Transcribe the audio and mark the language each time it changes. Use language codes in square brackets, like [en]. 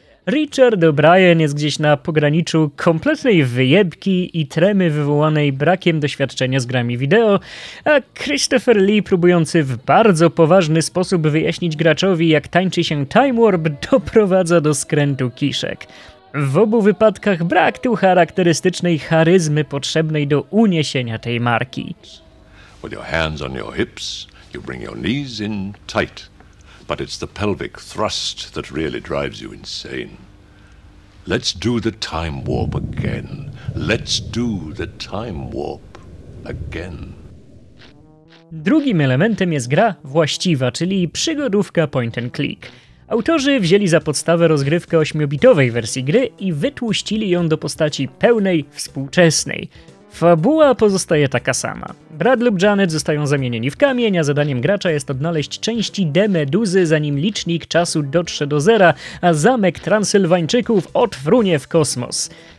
[pl] Richard O'Brien jest gdzieś na pograniczu kompletnej wyjebki i tremy wywołanej brakiem doświadczenia z grami wideo, a Christopher Lee próbujący w bardzo poważny sposób wyjaśnić graczowi, jak tańczy się Time Warp, doprowadza do skrętu kiszek. W obu wypadkach brak tu charakterystycznej charyzmy potrzebnej do uniesienia tej marki. [en] With your hands on your hips, you bring your knees in tight. But it's the pelvic thrust that really drives you insane. Let's do the time warp again. Let's do the time warp again. [pl] Drugim elementem jest gra właściwa, czyli przygodówka point and click. Autorzy wzięli za podstawę rozgrywkę 8-bitowej wersji gry i wytłuścili ją do postaci pełnej, współczesnej. Fabuła pozostaje taka sama. Brad lub Janet zostają zamienieni w kamień, a zadaniem gracza jest odnaleźć części demeduzy, zanim licznik czasu dotrze do zera, a zamek Transylwańczyków odfrunie w kosmos.